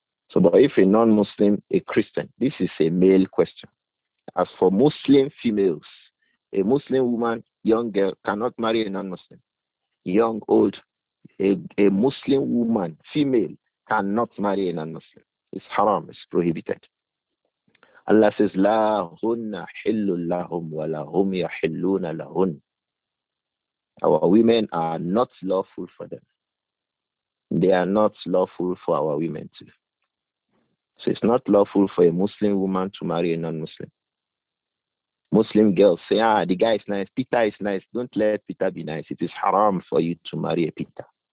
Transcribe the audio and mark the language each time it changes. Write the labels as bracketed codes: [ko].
[en] So, but if a non-Muslim, a Christian, this is a male question. As for Muslim females, a Muslim woman, young girl, cannot marry a non-Muslim. young, old, a Muslim woman, female, cannot marry a non-Muslim. It's haram, it's prohibited. Allah says, [ar] لَا هُنَّ حِلُّ لَهُمْ وَلَهُمْ يَحِلُّونَ لَهُنْ. [en] Our women are not lawful for them. They are not lawful for our women too. So it's not lawful for a Muslim woman to marry a non-Muslim. Muslim girls say, ah, the guy is nice, Peter is nice. Don't let Peter be nice. It is haram for you to marry a Peter.